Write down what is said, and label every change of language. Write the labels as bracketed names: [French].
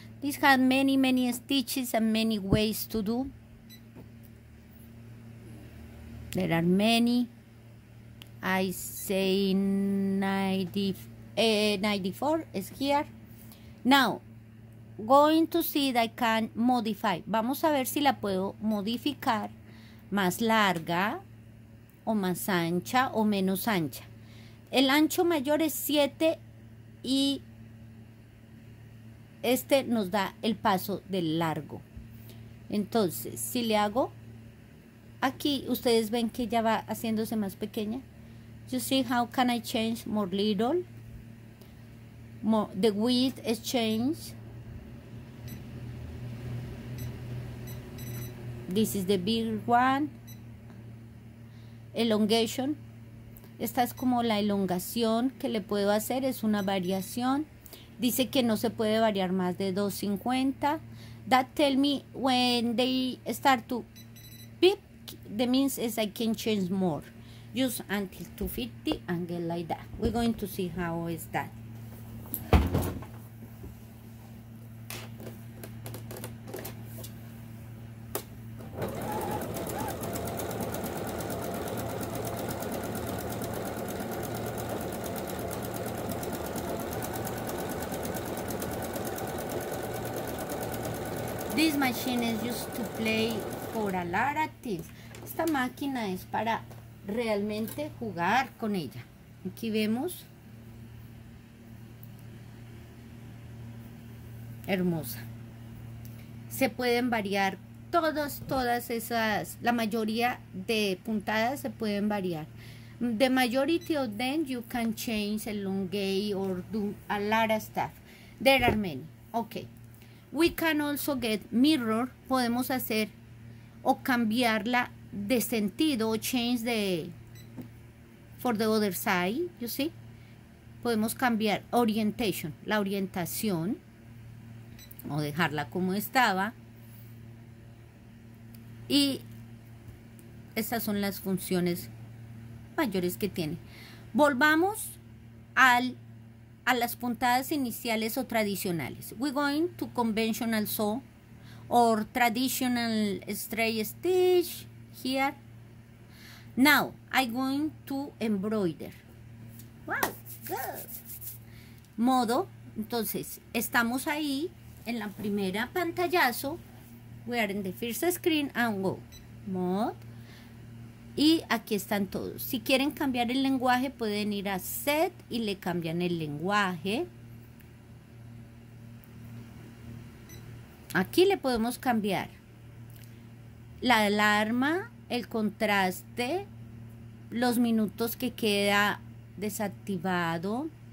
[English] This has many, many stitches and many ways to do. There are many. I say 94 is here. Now, going to see that I can modify. [Spanish] Vamos a ver si la puedo modificar más larga o más ancha o menos ancha. El ancho mayor es 7 y este nos da el paso del largo. Entonces, si le hago aquí, ustedes ven que ya va haciéndose más pequeña. [English] You see how can I change more little? More, the width is changed. This is the big one. Elongation. [Spanish] Esta es como la elongación que le puedo hacer. Es una variación. Dice que no se puede variar más de 250. [English] That tell me when they start to beep. That means is I can change more. Use until 250 and get like that. We're going to see how is that. This machine is used to play for a lot of things. [Spanish] Esta máquina es para realmente jugar con ella. Aquí vemos. Hermosa. Se pueden variar todas esas, la mayoría de puntadas se pueden variar. [English] The majority of them you can change elongate or do a lot of stuff. There are many. Ok. We can also get mirror. [Spanish] Podemos hacer o cambiarla de sentido o [English] change the for the other side. You see? [Spanish] Podemos cambiar orientation, la orientación, o dejarla como estaba. Y estas son las funciones mayores que tiene. Volvamos a las puntadas iniciales o tradicionales. [English] We're going to conventional saw or traditional straight stitch here. Now, I'm going to embroider. Wow, good. [Spanish] Modo, entonces, estamos ahí en la primera pantallazo. [English] We are in the first screen and go. [Spanish] Mod. Y aquí están todos. Si quieren cambiar el lenguaje, pueden ir a Set y le cambian el lenguaje. Aquí le podemos cambiar la alarma, el contraste, los minutos que queda desactivado.